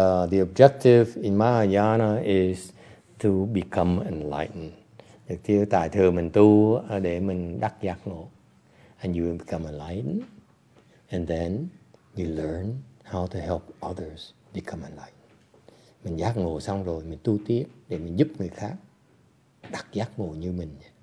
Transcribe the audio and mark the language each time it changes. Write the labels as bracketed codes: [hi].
[en] The objective in Mahayana is to become enlightened. [vi] Thì tại thừa mình tu để mình đắc giác ngộ. [en] And you become enlightened. And then you learn how to help others become enlightened. [vi] Mình giác ngộ xong rồi, mình tu tiếp để mình giúp người khác đắc giác ngộ như mình.